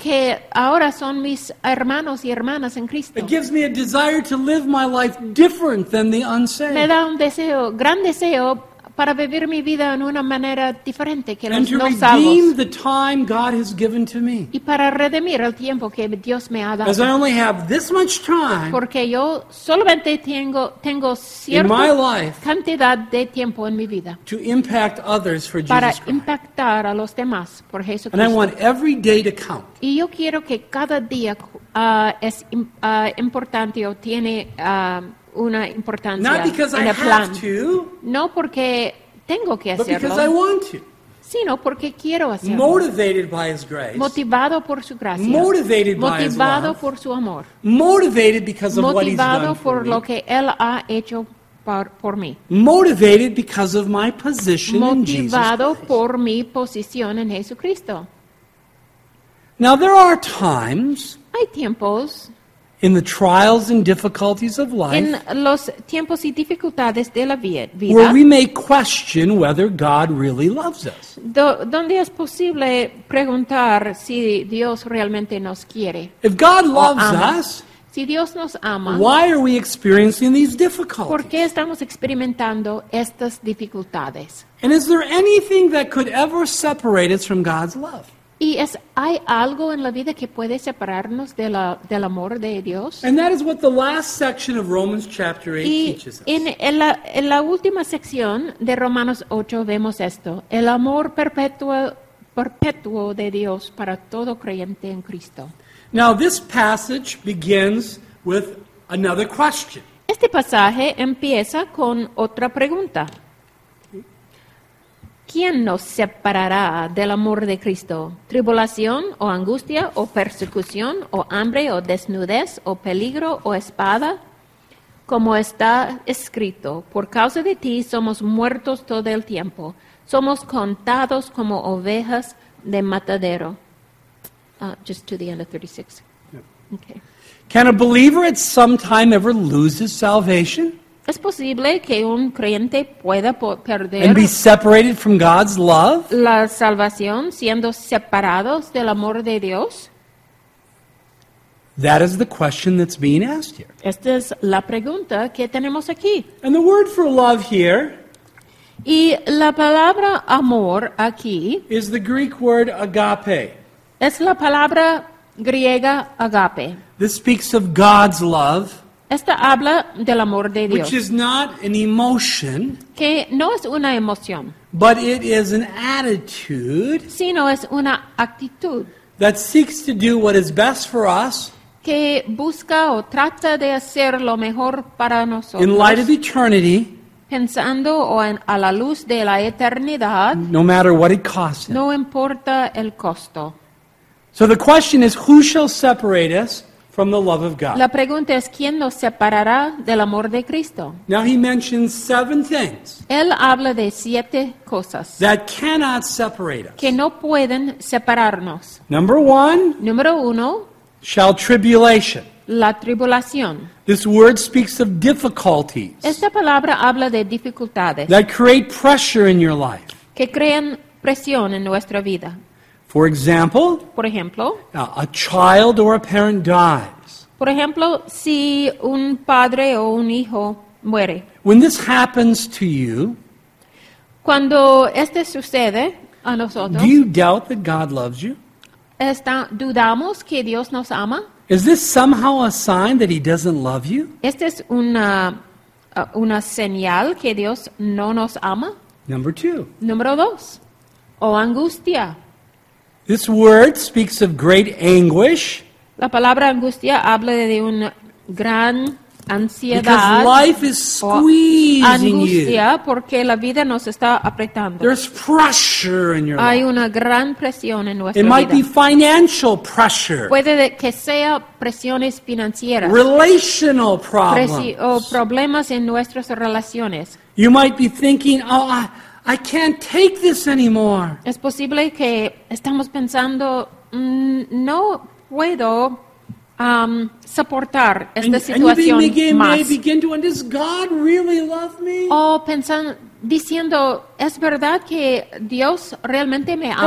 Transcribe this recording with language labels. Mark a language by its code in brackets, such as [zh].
[es] Que ahora son mis hermanos y hermanas en Cristo. [en] It gives me a desire to live my life different than the unsaved. [es] Me da un deseo, gran deseo para vivir mi vida en una manera diferente que los no salvos. [en] And to redeem the time God has given to me. [es] Y para redimir el tiempo que Dios me ha dado. [en] As I only have this much time. [es] Porque yo solamente tengo cierta [en] in my life [es] cantidad de tiempo en mi vida. [en] To impact others for Jesus [es] para [en] Christ. [es] Impactar a los demás por Jesucristo. [en] And I want every day to count. [es] Y yo quiero que cada día es importante o tiene una importancia [en] not because [es] en el [en] I have [es] plan. [en] To, [es] no porque tengo que hacerlo, [en] but because I want to. [es] Sino porque quiero hacerlo. [en] Motivated by his grace. [es] Motivado por su gracia. [en] Motivated [es] motivado [en] by his [es] por [en] love. [es] Su amor. [en] Motivated because of [es] motivado [en] what he's done [es] por [en] me. [es] Lo que él ha hecho por mí. [en] Motivated because of my position [es] motivado [en] in Jesus Christ. [es] Motivado por mi posición en Jesucristo. [en] Now there are times. [es] Hay tiempos. [en] In the trials and difficulties of life, [es] en los tiempos y dificultades de la vida, [en] where we may question whether God really loves us, [es] donde es posible preguntar si Dios realmente nos quiere. [en] If God loves us, [es] si Dios nos ama, [en] why are we experiencing these difficulties? [es] ¿Por qué estamos experimentando estas dificultades? [en] And is there anything that could ever separate us from God's love? [es] ¿Y es, hay algo en la vida que puede separarnos de del amor de Dios? [en] And that is what the last section of Romans chapter 8 [es] y [en] teaches us. [es] En la última sección de Romanos 8 vemos esto. El amor perpetuo de Dios para todo creyente en Cristo. [en] Now this passage begins with another question. [es] Este pasaje empieza con otra pregunta. ¿Quién nos separará del amor de Cristo? ¿Tribulación o angustia o persecución o hambre o desnudez o peligro o espada? Como está escrito, por causa de ti somos muertos todo el tiempo. Somos contados como ovejas de matadero. [en] Just to the end of 36. Okay. Can a believer at some time ever lose his salvation? [es] ¿Es posible que un creyente pueda perder [en] and be separated from God's love? [es] La salvación siendo separados del amor de Dios? [en] That is the question that's being asked here. [es] Esta es la pregunta que tenemos aquí. [en] And the word for love here, [es] y la palabra amor aquí, [en] is the Greek word agape. [es] Es la palabra griega agape. [en] This speaks of God's love. [es] Esta habla del amor de Dios, [en] which is not an emotion, [es] que no es una emoción, [en] but it is an attitude, [es] sino es una actitud, [en] that seeks to do what is best for us, [es] que busca o trata de hacer lo mejor para nosotros, [en] in light of eternity, [es] pensando o en, a la luz de la eternidad, [en] no matter what it costs, [es] no importa el costo. [en] So the question is, who shall separate us from the love of God? [es] La pregunta es, ¿quién nos separará del amor de Cristo? [en] Now he mentions seven things. [es] Él habla de siete cosas. [en] That cannot separate us. [es] Que no pueden separarnos. [en] Number one. [es] Número uno. [en] Shall tribulation. [es] La tribulación. [en] This word speaks of difficulties. [es] Esta palabra habla de dificultades. [en] That create pressure in your life. [es] Que crean presión en nuestra vida. [en] For example, [es] por ejemplo, [en] a child or a parent dies. [es] Por ejemplo, si un padre o un hijo muere. [en] When this happens to you, [es] cuando este sucede a nosotros, [en] do you doubt that God loves you? [es] ¿Dudamos que Dios nos ama? [en] Is this somehow a sign that he doesn't love you? [es] ¿Esta es una señal que Dios no nos ama? [en] Number two. [es] Número dos. O angustia. [en] This word speaks of great anguish. [es] La palabra angustia habla de una gran ansiedad. [en] Because life is squeezing you. [es] Angustia porque la vida nos está apretando. [en] There's pressure in your life. [es] Hay una gran presión en nuestra vida. [en] It might be financial pressure. [es] Puede que sea presiones financieras. [en] Relational problems. [es] O problemas en nuestras relaciones. [en] You might be thinking, I can't take this anymore. [es] Es posible que estamos pensando, no puedo soportar esta situación más. [en] And you begin to wonder, does God really love me? [es] O pensando, diciendo, ¿es verdad que Dios realmente me ama?